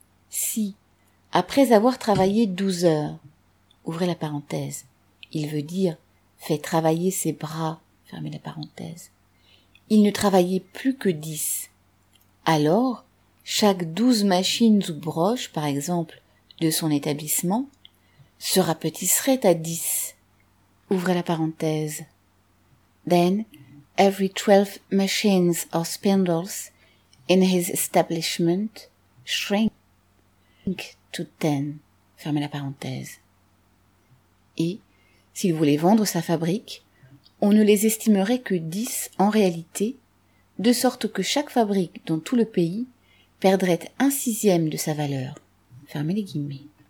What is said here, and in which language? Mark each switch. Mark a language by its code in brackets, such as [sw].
[fr] Si, après avoir travaillé 12 heures, ouvrez la parenthèse, il veut dire fait travailler ses bras, fermez la parenthèse, il ne travaillait plus que 10, alors chaque 12 machines ou broches, par exemple, de son établissement, se rapetisserait à 10. Ouvrez la parenthèse. [en] Then, every 12 machines or spindles in his establishment shrink to 10. [fr] Fermez la parenthèse. Et, s'il voulait vendre sa fabrique, on ne les estimerait que 10 en réalité, de sorte que chaque fabrique dans tout le pays perdrait 1/6 de sa valeur. Fermez les guillemets.